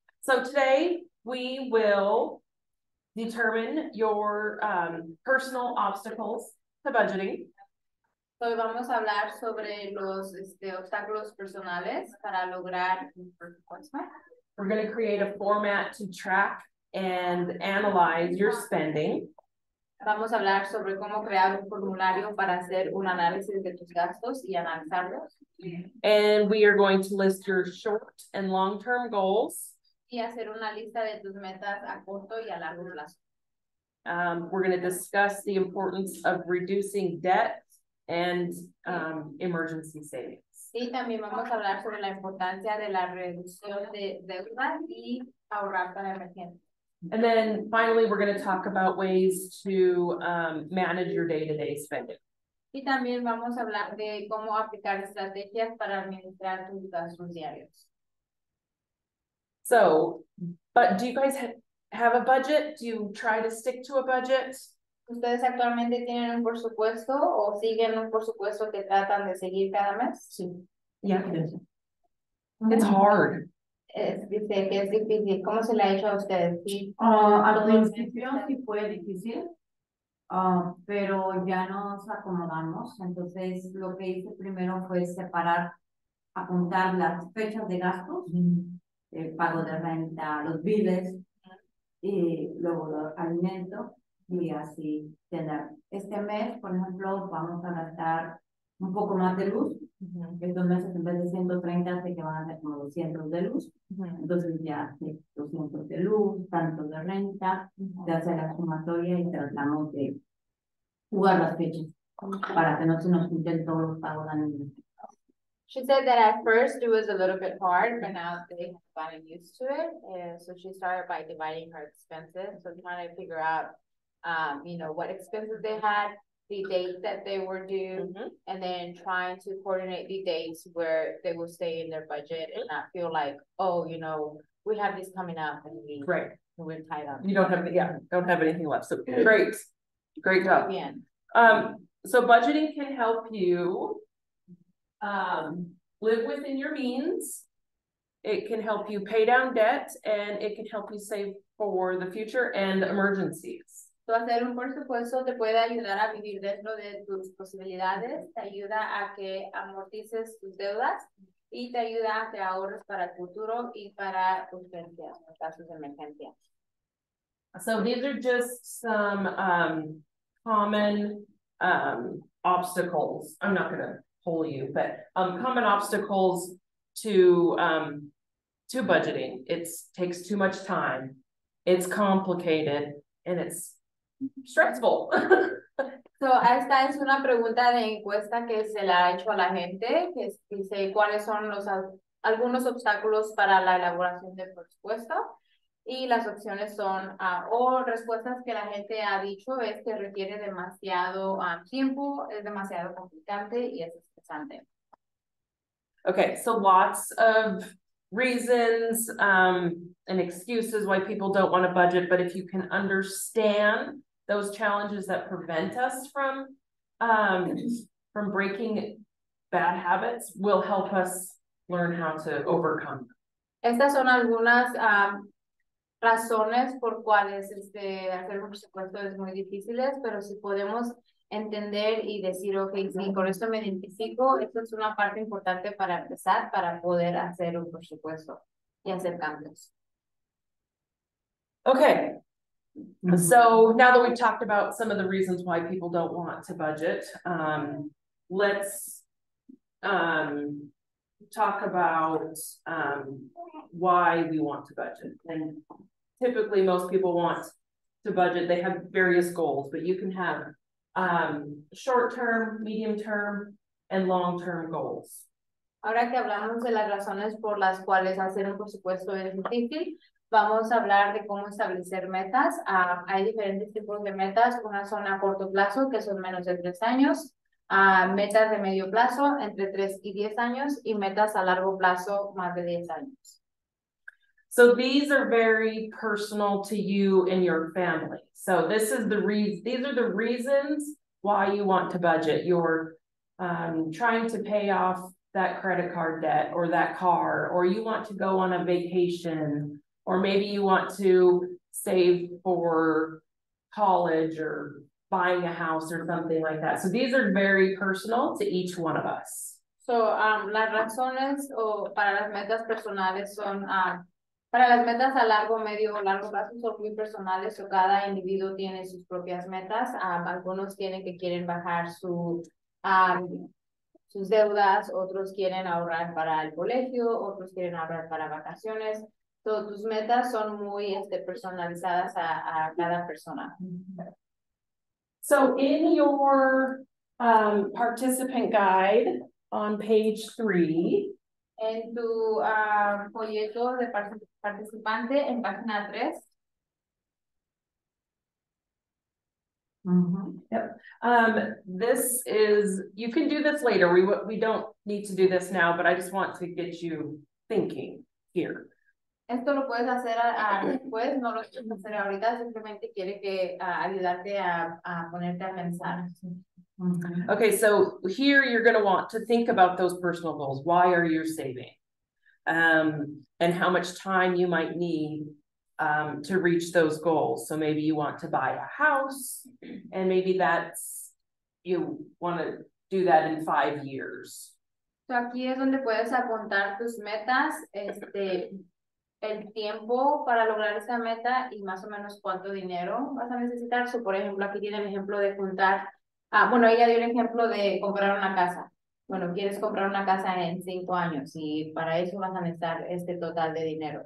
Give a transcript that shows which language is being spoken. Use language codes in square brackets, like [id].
[en] So today we will determine your personal obstacles to budgeting. [es] Hoy vamos a hablar sobre los obstáculos personales para lograr un presupuesto. [en] We're going to create a format to track and analyze your spending. [es] Vamos a hablar sobre cómo crear un formulario para hacer un análisis de tus gastos y analizarlos. [en] And we are going to list your short and long-term goals. [es] Y hacer una lista de tus metas a corto y a largo plazo. [en] We're going to discuss the importance of reducing debt and emergency savings. [es] Y también vamos a hablar sobre la importancia de la reducción de deuda y ahorrar para emergencia. [en] And then finally, we're going to talk about ways to manage your day-to-day spending. [es] Y también vamos a hablar de cómo aplicar estrategias para administrar tus gastos diarios. [en] So, but do you guys have a budget? Do you try to stick to a budget? [es] ¿Ustedes actualmente tienen un presupuesto o siguen un presupuesto que tratan de seguir cada mes? Sí. [en] Yeah, it is. It's hard. [es] Dice que es difícil. ¿Cómo se le ha hecho a ustedes? Al principio sí fue difícil, pero ya nos acomodamos. Entonces, lo que hice primero fue separar, apuntar las fechas de gastos, el pago de renta, los biles, y luego los alimentos. Y así tener este mes, por ejemplo, vamos a gastar un poco más de luz. Estos meses en vez de 130, sé que van a ser como 200 de luz. Entonces ya sí, 200 de luz, tantos de renta, de hacer la sumatoria y tratamos de jugar las fechas para que no se nos junten todos los pagos de año. [en] She said that at first it was a little bit hard, but now they have gotten used to it. So she started by dividing her expenses. So trying to figure out, you know, what expenses they had, the date that they were due, and then trying to coordinate the dates where they will stay in their budget and not feel like, oh, you know, we have this coming up and we're tied up. You don't have anything left. So great. Great job. [es] Bien. [en] So budgeting can help you live within your means. It can help you pay down debt, and it can help you save for the future and emergencies. [es] So hacer un presupuesto te puede ayudar a vivir dentro de tus posibilidades, te ayuda a que amortices tus deudas, y te ayuda a que ahorres para el futuro y para urgencias, en casos de emergencia. [en] So these are just some common obstacles. I'm not going to poll you, but common obstacles to budgeting. It takes too much time. It's complicated and it's stressful. [es] So esta es una pregunta de encuesta que se la ha hecho a la gente, que dice cuáles son los algunos obstáculos para la elaboración del presupuesto. Y las opciones son, o respuestas que la gente ha dicho es que requiere demasiado tiempo, es demasiado complicante y es estresante. [en] Okay, so lots of reasons and excuses why people don't want to budget, but if you can understand those challenges that prevent us from breaking bad habits, will help us learn how to overcome. [es] Estas son algunas razones por cuales hacer un presupuesto es muy difícil, pero si podemos entender y decir, okay, sí, con esto me identifico, esto es una parte importante para empezar, para poder hacer un presupuesto y hacer cambios. Okay. [en] So now that we've talked about some of the reasons why people don't want to budget, let's talk about why we want to budget. And typically most people want to budget, they have various goals, but you can have short-term, medium-term, and long-term goals. [es] Ahora que hablamos de las razones por las cuales hacer un presupuesto es difícil, vamos a hablar de cómo establecer metas. Hay diferentes tipos de metas. Una son a corto plazo, que son menos de 3 años. Metas de medio plazo, entre 3 y 10 años. Y metas a largo plazo, más de 10 años. [en] So these are very personal to you and your family. So this is the these are the reasons why you want to budget. You're trying to pay off that credit card debt or that car, or you want to go on a vacation, or maybe you want to save for college or buying a house or something like that. So these are very personal to each one of us. [es] So las razones o para las metas personales son, para las metas a largo, medio o largo plazo son muy personales, o cada individuo tiene sus propias metas. Algunos tienen que quieren bajar su sus deudas, otros quieren ahorrar para el colegio, otros quieren ahorrar para vacaciones. Todas tus metas son muy personalizadas a cada persona. [en] So in your participant guide on page 3. [es] En tu folleto de participante en página 3. [en] Mm-hmm. Yep. This is, you can do this later. We don't need to do this now, but I just want to get you thinking here. [es] Esto lo puedes hacer después, no lo quieres hacer ahorita, simplemente quiere que ayudarte a ponerte a pensar. [en] Okay, so here you're going to want to think about those personal goals. Why are you saving? And how much time you might need to reach those goals. So maybe you want to buy a house, and maybe that's, you want to do that in 5 years. [es] So aquí es donde puedes apuntar tus metas, el tiempo para lograr esa meta y más o menos cuánto dinero vas a necesitar. So, por ejemplo, aquí tiene el ejemplo de juntar. Bueno, ella dio el ejemplo de comprar una casa. Bueno, quieres comprar una casa en 5 años y para eso vas a necesitar este total de dinero.